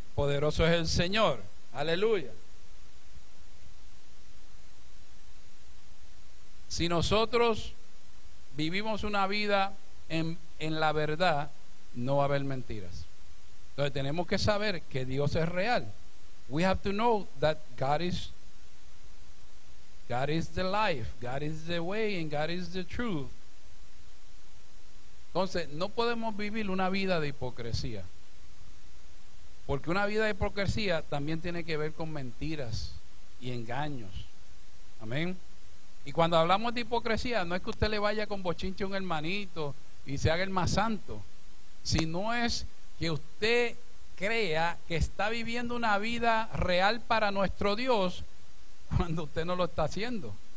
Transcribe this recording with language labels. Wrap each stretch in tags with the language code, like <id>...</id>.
<es>Poderoso es el Señor. Aleluya. Si nosotros vivimos una vida en la verdad, no va a haber mentiras. Entonces tenemos que saber que Dios es real.</es> <en>We have to know that God is the life, God is the way, and God is the truth.</en> <es>Entonces no podemos vivir una vida de hipocresía, porque una vida de hipocresía también tiene que ver con mentiras y engaños. Amén. Y cuando hablamos de hipocresía, no es que usted le vaya con bochinche a un hermanito y se haga el más santo, sino es que usted crea que está viviendo una vida real para nuestro Dios cuando usted no lo está haciendo.</es>